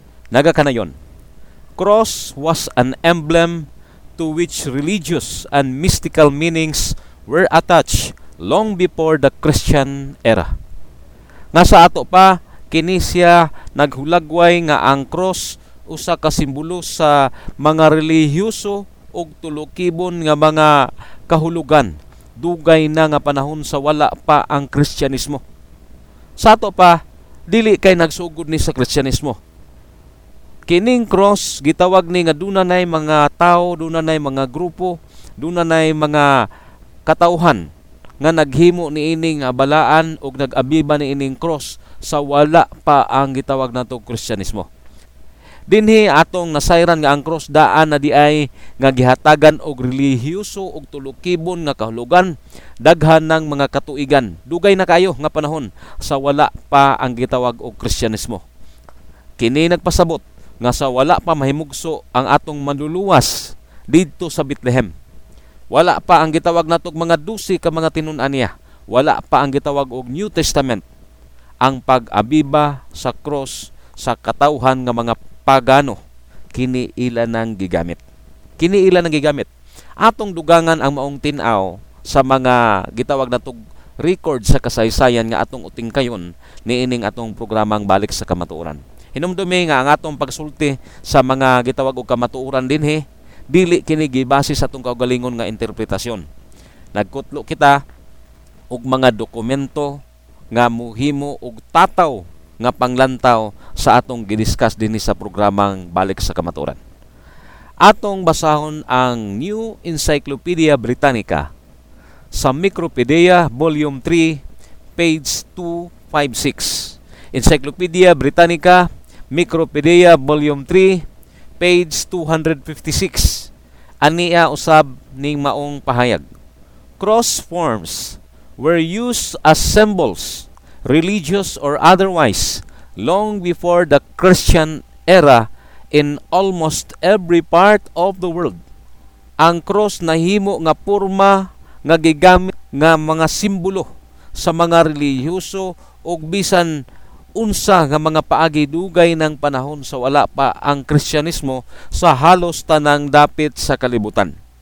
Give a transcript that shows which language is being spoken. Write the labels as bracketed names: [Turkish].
[Cebuano] Nagakanayon, [English] cross was an emblem to which religious and mystical meanings were attached long before the Christian era. [Cebuano] Nga sa ato pa, kini siya naghulagway nga ang cross usa ka simbolo sa mga relihiyoso ug tulokibon nga mga kahulugan dugay na nga panahon sa wala pa ang Kristiyanismo. Sa ato pa, dili kay nagsugod ni sa Kristiyanismo. Kining cross gitawag ni nga duna nay mga tao, duna nay mga grupo, duna nay mga katauhan nga naghimo ni ining balaan ug nag-abiba ni ining cross sa wala pa ang gitawag nato Kristiyanismo. Dinhi atong nasayran nga ang cross daan na di ay nga gihatagan og relihiyoso og tulokibon nga kahulugan daghan ng mga katuigan dugay na kayo nga panahon sa wala pa ang gitawag og Kristiyanismo. Kini nagpasabot nga sa wala pa mahimugso ang atong manluluwas dito sa Bethlehem. Wala pa ang gitawag natog mga dusi ka mga tinun-an niya. Wala pa ang gitawag og New Testament. Ang pag-abiba sa cross sa katauhan ng mga pagano, kini ila nang gigamit. Kini ila nang gigamit. Atong dugangan ang maong tinaw sa mga gitawag natog record sa kasaysayan nga atong uting kayon niining atong programang Balik sa Kamatuoran. Hinumdumi nga ang atong pagsulti sa mga gitawag og kamatuoran din he. Dili kini gibase sa atong kaugalingon nga interpretasyon. Nagkutlo kita og mga dokumento nga muhimo og tataw nga panglantaw sa atong gidiskus dinhi sa programang Balik sa Kamatuoran. Atong basahon ang New Encyclopedia Britannica sa Micropedia Volume 3 page 256. Encyclopedia Britannica Micropedia Volume 3 page 256. Aniya usab ning maong pahayag. [English] Cross forms were used as symbols, religious or otherwise, long before the Christian era in almost every part of the world. [Cebuano] Ang cross nahimo nga purma nga gigamit nga mga simbolo sa mga relihiyoso ug bisan unsa nga mga paagi dugay ng panahon sa wala pa ang Kristiyanismo sa halos tanang dapit sa kalibutan.